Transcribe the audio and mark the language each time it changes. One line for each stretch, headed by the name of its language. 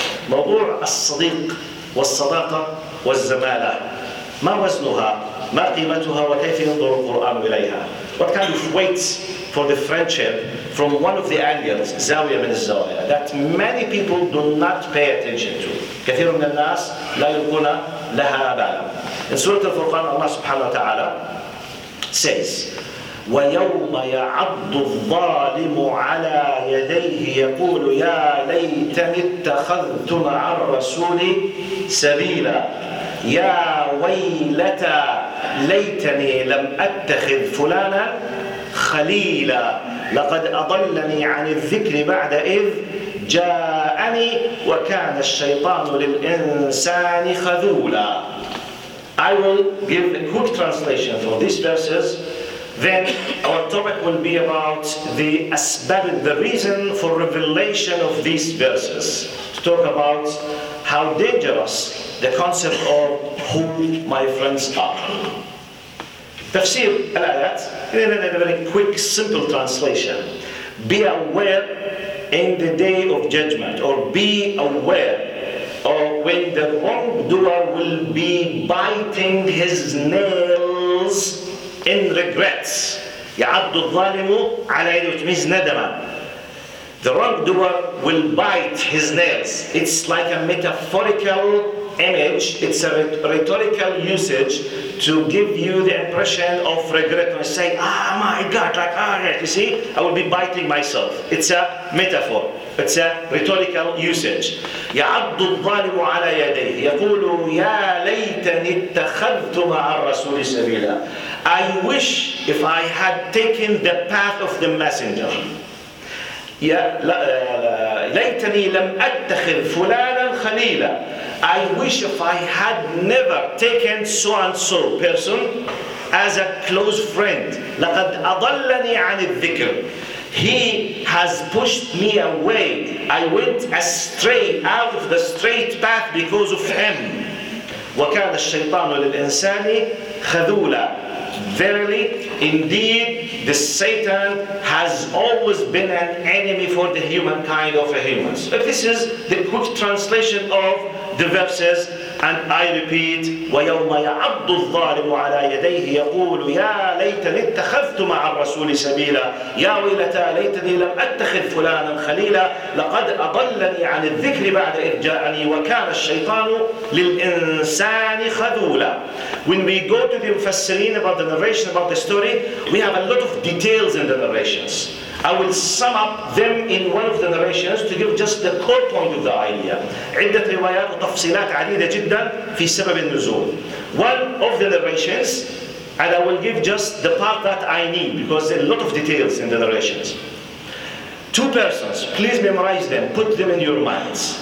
Arabic: موضوع الصديق والصداقة والزمالة. ما وزنها؟ ما قيمتها وكيف ينظر القرآن إليها؟
English: What kind of weight for the friendship from one of the angles,
Arabic: زاوية من الزوايا,
English: that many people do not pay attention to.
Arabic: كثير من الناس لا يلقون لها بالا.
English: In Surah Al-Furqan, Allah
Arabic: سبحانه وتعالى
English: says,
Arabic: وَيَوْمَ يَعَضُّ الظَّالِمُ عَلَى يَدَيْهِ يَقُولُ يَا لَيْتَنِ اتَّخَذْتُ مَعَ الرَّسُولِ سَبِيلًا يا ويلتى ليتني لم أتخذ فلانا خليلا لقد أضلني عن الذكر بعد إذ جاءني وكان الشيطان للإنسان خذولا.
English: I will give a quick translation for these verses. Then our topic will be about the reason for revelation of these verses. To talk about how dangerous the concept of who my friends are.
Arabic: تفسير الآيات,
English: a very quick, simple translation. Be aware in the day of judgment, or be aware of when the wrongdoer will be biting his nails in regrets.
Arabic: يَعَضُّ الظَّالِمُ عَلَى يَدِهِ,
English: which means
Arabic: نَدَمًا.
English: The wrongdoer will bite his nails. It's like a metaphorical image, it's a rhetorical usage to give you the impression of regret and say, ah, oh my God, like, ah, oh, you see, I will be biting myself. It's a metaphor. It's a rhetorical usage.
Arabic: يعض الظالم على يديه يقول يا ليتني اتخذت مع الرسول سبيلا.
English: I wish if I had taken the path of the messenger.
Arabic: يا لا ليتني لم أتخذ فلانا خليلا.
English: I wish if I had never taken so and so person as a close friend.
Arabic: لقد أضلني عن الذكر.
English: He has pushed me away. I went astray out of the straight path because of him.
Arabic: وكان الشيطان للإنسان خذولا.
English: Verily, indeed, the Satan has always been an enemy for the humankind of humans. But this is the quick translation of the verses, and I repeat,
Arabic: وَيَوْمَ يَعَضُّ الظَّالِمُ عَلَى يَدَيْهِ يَقُولُ يَا لَيْتَنِي اتَّخَذْتُ مَعَ الرَّسُولِ سَبِيلًا يَا وَيْلَتَى لَيْتَنِي لَمْ أَتَّخِذْ فُلَانًا خَلِيلًا لَقَدْ أَضَلَّنِي عَنِ الذِّكْرِ بَعْدَ إِذْ جَاءَنِي وَكَانَ الشَّيْطَانُ لِلْإِنسَانِ خَذُولًا.
English: When we go to the Mufassirin about the narration about the story, we have a lot of details in the narrations. I will sum up them in one of the narrations to give just the core point of the idea.
Arabic: عدة روايات وتفصيلات عديدة جدا في سبب النزول.
English: One of the narrations, and I will give just the part that I need because there are a lot of details in the narrations. Two persons, please memorize them, put them in your minds.